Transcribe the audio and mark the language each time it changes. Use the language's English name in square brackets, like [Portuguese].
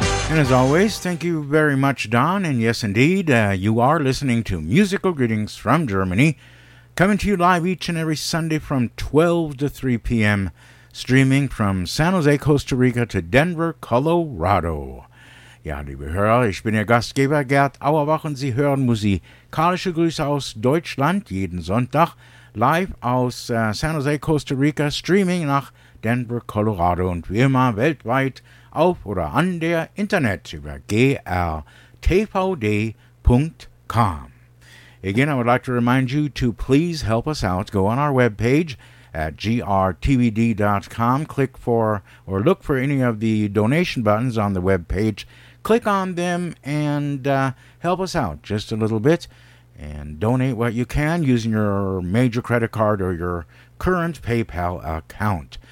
[English] And as always, thank you very much, Don. And yes, indeed, you are listening to Musical Greetings from Germany, coming to you live each and every Sunday from 12 to 3 p.m., streaming from San Jose, Costa Rica to Denver, Colorado. [German] Ja, liebe Hörer, ich bin Ihr Gastgeber Gerd Auerbach und Sie hören musikalische Grüße aus Deutschland jeden Sonntag live aus San Jose, Costa Rica, streaming nach Denver, Colorado und wie immer weltweit auf oder an der Internet über grtvd.com. [English] Again, I would like to remind you to please help us out. Go on our webpage at grtvd.com. Click for or look for any of the donation buttons on the webpage. Click on them and help us out just a little bit and donate what you can using your major credit card or your current PayPal account.